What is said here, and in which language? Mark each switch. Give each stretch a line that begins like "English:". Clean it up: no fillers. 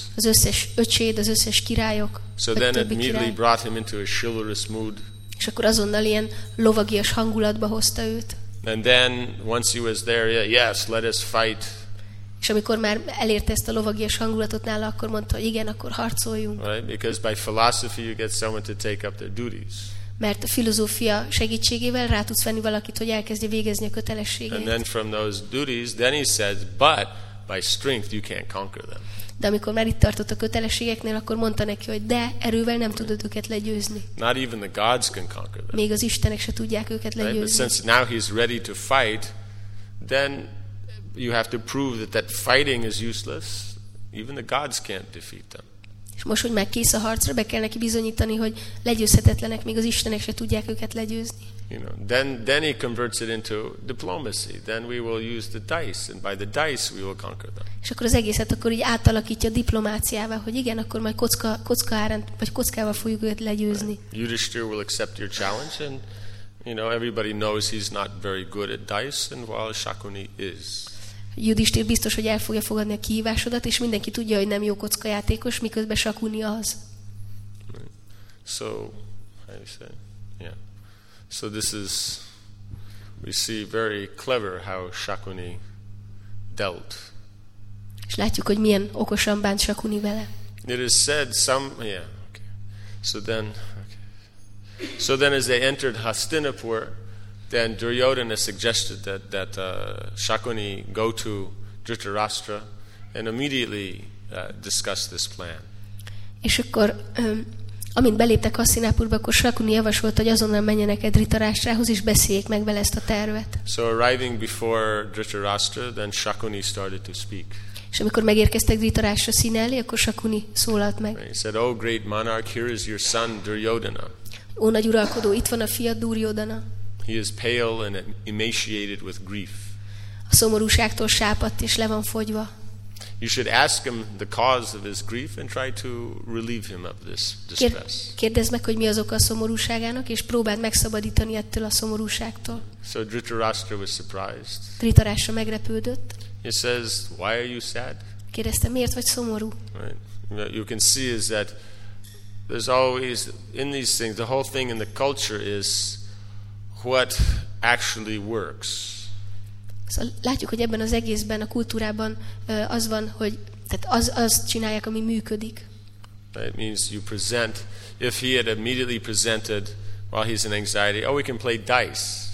Hungarian: Az összes öcséd, az összes királyok.
English: So then it immediately brought him into a chivalrous mood.
Hungarian: És akkor azonnal ilyen lovagias hangulatba hozta őt.
English: And then once he was there, yeah, yes, let us fight.
Hungarian: És amikor már elérte ezt a lovagias hangulatot nála, akkor mondta, hogy igen, akkor harcoljunk.
English: Right? Because by philosophy you get someone to take up their duties.
Hungarian: Mert a filozófia segítségével rá tudsz venni valakit, hogy elkezdje végezni a kötelességeit.
English: And then from those duties, then he says, but by strength you can't conquer them.
Hungarian: De amikor már itt tartott a kötelességeknél, akkor mondta neki, hogy de erővel nem tudod őket legyőzni.
English: Not even the gods can conquer them.
Hungarian: Még az istenek se tudják őket legyőzni.
English: Right? But since now he's ready to fight, then you have to prove that that fighting is useless. Even the gods can't defeat them.
Hungarian: És most, hogy már kész a harcra, be kell neki bizonyítani, hogy legyőzhetetlenek, még az istenek se tudják őket legyőzni.
English: You know, then he converts it into diplomacy. Then we will use the dice, and by the dice we will conquer them.
Hungarian: És akkor az egészet akkor így átalakítja diplomáciává, hogy igen, akkor majd kocka árán, vagy kockával fogjuk őket legyőzni.
English: Right. Yudhishthira will accept your challenge, and you know everybody knows he's not very good at dice, and while Shakuni is.
Hungarian: Yudhishthir biztos, hogy el fogja fogadni a kihívásodat, és mindenki tudja, hogy nem jó kockajátékos, miközben Shakuni az.
English: Right. So, how do you say? Yeah. So this is, we see very clever how Shakuni dealt.
Hungarian: És látjuk, hogy milyen okosan bánt Shakuni vele.
English: It is said some, yeah, okay. So then as they entered Hastinapur, then Duryodhana suggested that Shakuni go to Dhritarashtra and immediately discuss this plan.
Hungarian: És akkor amint beléptek Hasztinapurba, akkor Shakuni javasolt, hogy azonnal menjenek egy Dhritarashtrához és beszéljék meg vele ezt a tervet.
English: So arriving before Dhritarashtra, then Shakuni started to speak.
Hungarian: És amikor megérkeztek Dhritarashtra színe elé, akkor Shakuni szólalt meg.
English: He said, "Oh great monarch, here is your son Duryodhana."
Hungarian: Ó nagy uralkodó, itt van a fiad Duryodhana.
English: He is pale and emaciated with grief.
Hungarian: A szomorúságtól sápadt és le van fogyva.
English: You should ask him the cause of his grief and try to relieve him of this distress.
Hungarian: Kérdezd meg, hogy mi az oka a szomorúságának, és próbáld megszabadítani ettől a szomorúságtól.
English: So Dhritarashtra was surprised.
Hungarian: Dhritarashtra megrepődött.
English: He says, "Why are you sad?"
Hungarian: Kérdezte, miért vagy szomorú?
English: Right. You can see is that there's always in these things the whole thing in the culture is what actually works.
Hungarian: Szóval látjuk, hogy ebben az egészben, a kultúrában az van, hogy tehát az csinálják, ami működik.
English: It means you present, if he had immediately presented while he's in anxiety, oh, we can play dice.